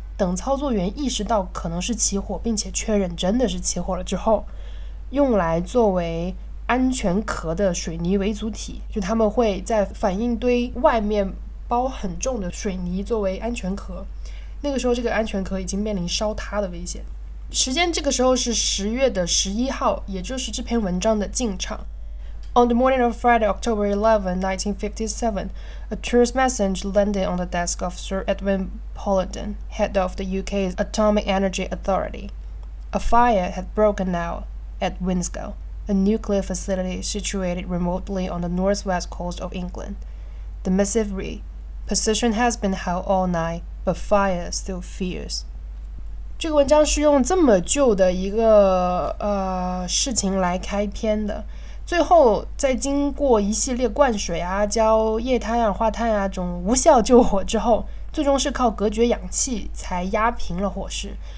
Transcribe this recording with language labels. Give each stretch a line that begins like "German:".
Chinese: 等操作员意识到可能是起火并且确认真的是起火了之后，用来作为安全壳的水泥为主体，就他们会在反应堆外面包很重的水泥作为安全壳，那个时候这个安全壳已经面临烧塌的危险。时间这个时候是10月11号，也就是这篇文章的进场。
English: On the morning of Friday, October 11, 1957, a tourist message landed on the desk of Sir Edwin Paulden, head of the UK's Atomic Energy Authority. A fire had broken out at Windscale, a nuclear facility situated remotely on the northwest coast of England. The missive read, "Position has been held all night, but fire still fierce."
Chinese: 这个文章是用这么旧的一个事情来开篇的，最后在经过一系列灌水啊、浇液态二氧化碳啊这种无效救火之后，最终是靠隔绝氧气才压平了火势。